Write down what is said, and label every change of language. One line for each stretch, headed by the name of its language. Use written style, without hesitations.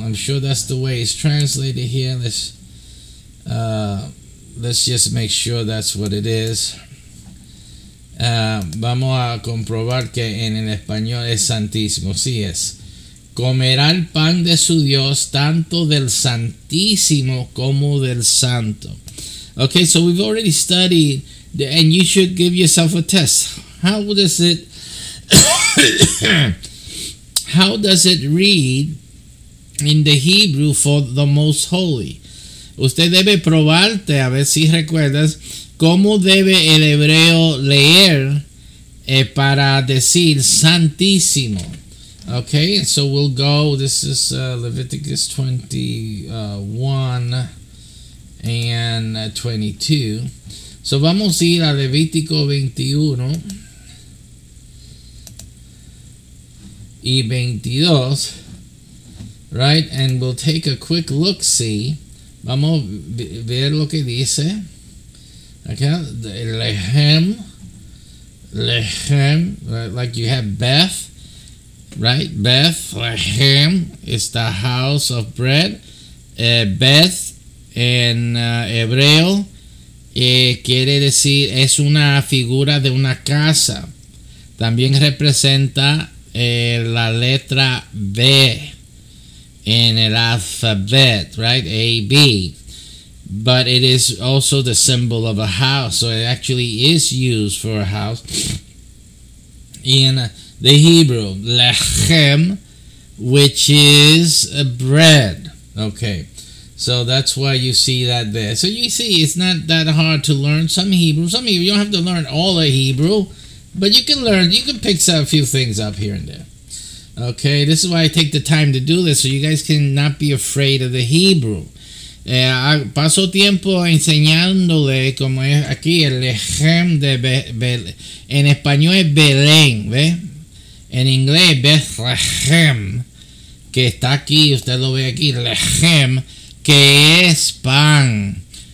English: I'm sure that's the way it's translated here. Let's just make sure that's what it is.
Spanish: Vamos a comprobar que en el español es santísimo. Sí es. Comerá el pan de su Dios, tanto del santísimo como del santo.
English: Okay, so we've already studied, and you should give yourself a test. How does it read in the Hebrew for the most holy?
Spanish: Usted debe probarte a ver si recuerdas. ¿Cómo debe el hebreo leer para decir santísimo?
English: Okay, so we'll go. This is Leviticus 21 and 22. So
Spanish: vamos a ir a Levítico 21.
English: y 22, right? And we'll take a quick look-see.
Spanish: Vamos a ver lo que dice. Acá, Lehem, Lehem, right?
English: Like you have Beth, right? Beth, Lehem is the house of bread.
Spanish: Beth, en hebreo, quiere decir, es una figura de una casa. También representa la letra B in el alphabet, right? A, B.
English: But it is also the symbol of a house. So it actually is used for a house. In the Hebrew, lechem, which is a bread. Okay. So that's why you see that there. So you see, it's not that hard to learn some Hebrew. Some Hebrew, you don't have to learn all the Hebrew. But you can learn, you can pick a few things up here and there. Okay, this is why I take the time to do this, so you guys can not be afraid of the Hebrew.
Spanish: Paso tiempo enseñándole como es aquí el lechem de en español es Belén, ¿ve? En inglés Bethlehem, que está aquí, usted lo ve aquí, lechem, que es pan.